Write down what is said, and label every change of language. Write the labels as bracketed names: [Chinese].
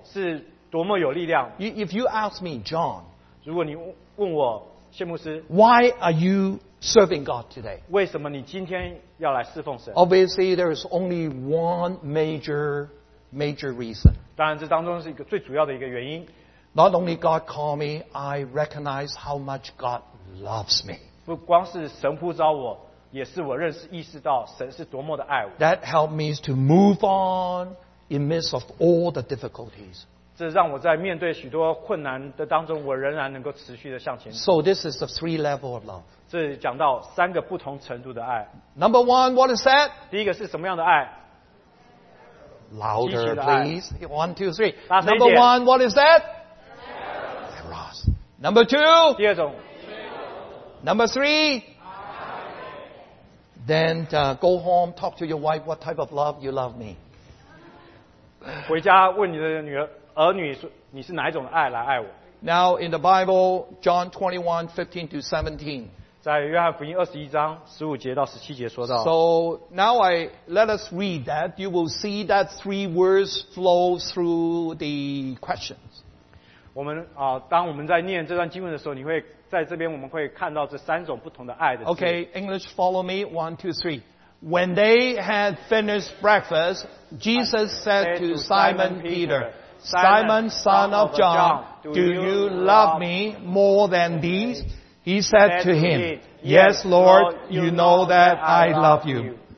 [Chinese] 是多么有力量。 [English] If you ask me, John. [Chinese] 如果你问我谢牧师 [English] Why are you serving God today? [Chinese] 为什么你今天要来侍奉神 [English] Obviously, there is only one major reason. [Chinese] 当然这当中是一个最主要的一个原因 [English] Not only God called me, I recognize how much God loves me. [Chinese] 不光是神呼召我也是我认识意识到神是多么的爱我 [English] That helped me to move on in midst of all the difficulties. [Chinese] 这让我在面对许多困难的当中，我仍然能够持续的向前。 [English] So this is the three level of love. [Chinese] 这讲到三个不同程度的爱。 [English] Number one, what is that? [Chinese] 第一个是什么样的爱 [English] ？Louder, please. One, two, three. Number one, what is that? Eros. Number two. [Chinese] 第二种。 [English] Number three. Then go home, talk to your wife. What type of love you love me? [Chinese] 回家问你的女儿。儿女你是哪一种的爱来爱我 [English] Now in the Bible John 21:15-17 [Chinese] 在约翰福音21章15节到17节说到 [English] So now I let us read that you will see that three words flow through the questions [Chinese] 我们、当我们在念这段经文的时候你会在这边我们会看到这三种不同的爱的 [English] Okay English follow me 1, 2, 3 When they had finished breakfast Jesus said to Simon Peter Simon, son of John, do you love me more than these? He said to him, Yes, Lord, you know that I love you.